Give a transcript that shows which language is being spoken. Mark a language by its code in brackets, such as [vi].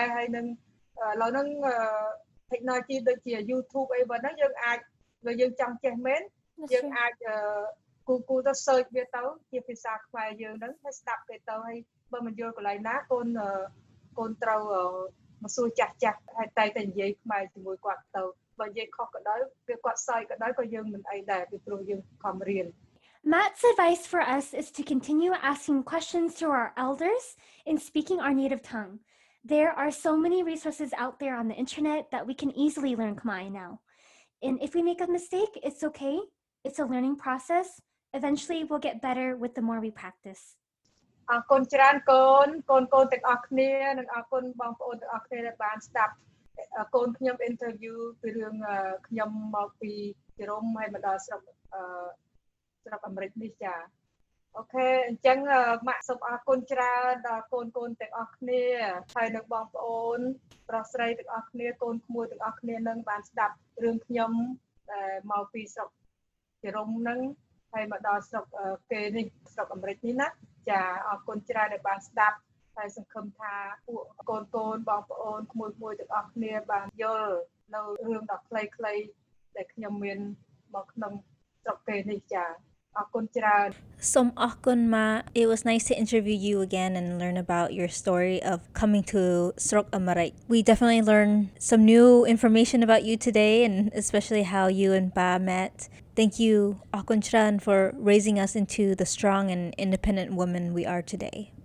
[km] technology ដូចជា YouTube អីបើហ្នឹងយើងអាចលើយើងចង់ចេះមែនយើងអាចគូទៅ search វាទៅជាភាសាខ្មែរយើងហ្នឹងហើយស្ដាប់គេទៅហើយបើមិនយល់កន្លែងណាកូនត្រូវមកសួរចាស់ហើយតែនិយាយខ្មែរជាមួយគាត់ទៅបើនិយាយខុសក៏ដោយវាគាត់ search ក៏ដោយក៏យើងមិនអីដែរពីព្រោះយើងខំរៀន [en] Matt's advice for us is to continue asking questions to our elders in speaking our native tongueThere are so many resources out there on the internet that we can easily learn Khmer now. And if we make a mistake, it's okay. It's a learning process. Eventually, we'll get better with the more we practice. [km] អរគុណច្រើនកូនកូនកូនទាំងអស់គ្នានិងអរគុណបងប្អូនទាំងអស់គ្នាដែលបានស្ដាប់កូនខ្ញុំ interview ពីរឿងខ្ញុំមកពីជរមហើយមកដល់ស្រុក អាមេរិកនេះចា៎โอเคអញ្ចឹងម៉ាក់សូមអរគុណច្រើនដល់កូនកូនទាំងអស់គ្នាហើយនៅបងប្អូនប្រុសស្រីទាំងអស់គ្នាកូនក្មួយទាំងអស់គ្នានឹងបានស្ដាប់រឿងខ្ញុំដែលមកពីស្រុកជរមនឹងហើយមកដល់ស្រុកគេនេះស្រុកអាមេរិកនេះណាចាអរគុណច្រើនដែលបានស្ដាប់ហែសង្ឃឹមថាពួកកូនកូនបងប្អូនក្មួយក្មួយទាំងអស់គ្នាបានយល់នៅរឿងដ៏ខ្លីៗដែលខ្ញុំមានមកក្នុងស្រុកពេលនេះចា៎អរគុណច្រើន សូមអរគុណម៉ា [en] It was nice to interview you again and learn about your story of coming to Srok Amarik. We definitely learned some new information about you today and especially how you and Ba met. Thank you, Ah Kun Chan, for raising us into the strong and independent woman we are today.